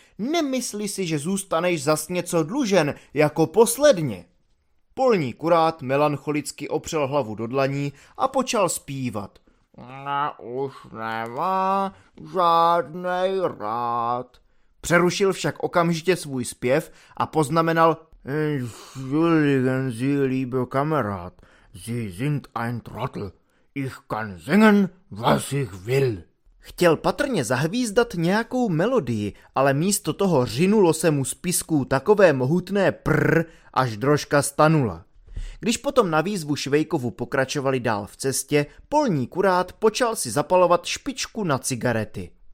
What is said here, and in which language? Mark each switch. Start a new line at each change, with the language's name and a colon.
Czech: Nemyslíš si, že zůstaneš zas něco dlužen, jako posledně? Polní kurát melancholicky opřel hlavu do dlaní a počal zpívat. Ne, už nemá žádnej rád. Přerušil však okamžitě svůj zpěv a poznamenal:
German: Entschuldigen Sie, lieber Kamerad, Sie sind ein Trottel. Ich kann singen, was ich will.
Czech: Chtěl patrně zahvízdat nějakou melodii, ale místo toho řinulo se mu z pisku takové mohutné prr, až drožka stanula. Když potom na výzvu Švejkovu pokračovali dál v cestě, polní kurát počal si zapalovat špičku na cigarety.